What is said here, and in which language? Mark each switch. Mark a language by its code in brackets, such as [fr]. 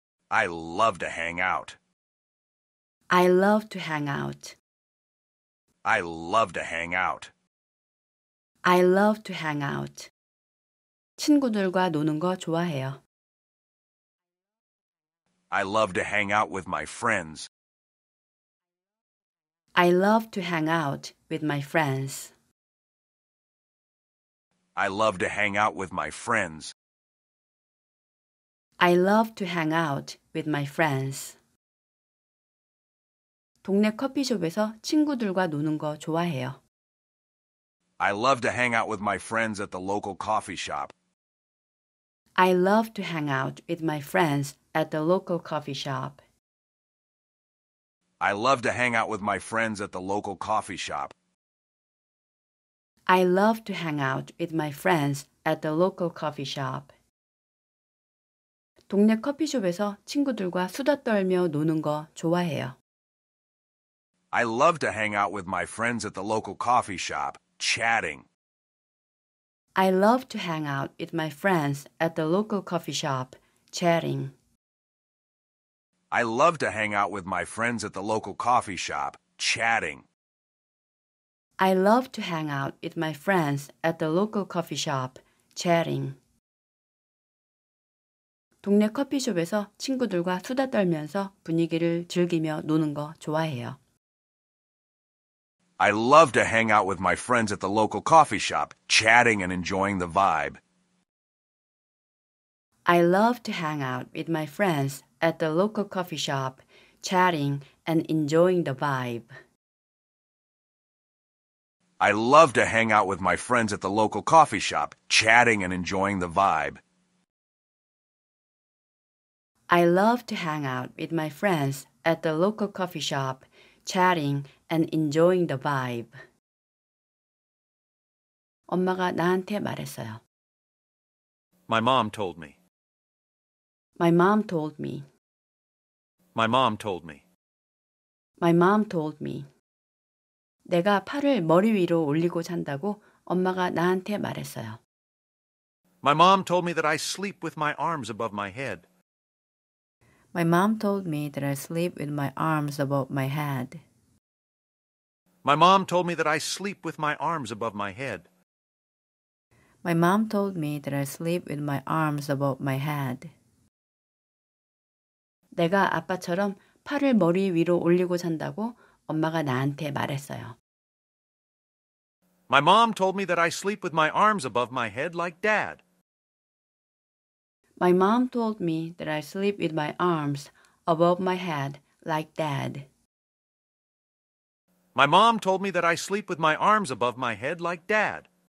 [en] I love to hang out. I love to hang out. I love to hang out. I love to hang out. [ko] 친구들과 노는 거 좋아해요. [en] I love to hang out with my friends. I love to hang out with my friends. I love to hang out with my friends. I love to hang out with my friends. [ko] 동네 커피숍에서 친구들과 노는 거 좋아해요. [en] I love to hang out with my friends at the local coffee shop. I love to hang out with my friends at the local coffee shop. I love to hang out with my friends at the local coffee shop. I love to hang out with my friends at the local coffee shop. [ko] 동네 커피숍에서 친구들과 수다 떨며 노는 거 좋아해요. [en] I love to hang out with my friends at the local coffee shop, chatting. I love to hang out with my friends at the local coffee shop, chatting. I love to hang out with my friends at the local coffee shop, chatting. I love to hang out with my friends at the local coffee shop, chatting. [ko] 동네 커피숍에서 친구들과 수다 떨면서 분위기를 즐기며 노는 거 좋아해요. [en] I love to hang out with my friends at the local coffee shop, chatting and enjoying the vibe. I love to hang out with my friends at the local coffee shop, chatting and enjoying the vibe. I love to hang out with my friends at the local coffee shop, chatting and enjoying the vibe. I love to hang out with my friends at the local coffee shop, chatting and enjoying the vibe. [ko] 엄마가 나한테 말했어요. [en] My mom told me. My mom told me. My mom told me. My mom told me. [ko] 내가 팔을 머리 위로 올리고 잔다고 엄마가 나한테 말했어요. [en] My mom told me that I sleep with my arms above my head. My mom told me that I sleep with my arms above my head. My mom told me that I sleep with my arms above my head. My mom told me that I sleep with my arms above my head. [ko] 내가 아빠처럼 팔을 머리 위로 올리고 잔다고 엄마가 나한테 말했어요. [en] My mom told me that I sleep with my arms above my head like dad. My mom told me that I sleep with my arms above my head like dad. My mom told me that I sleep with my arms above my head like dad.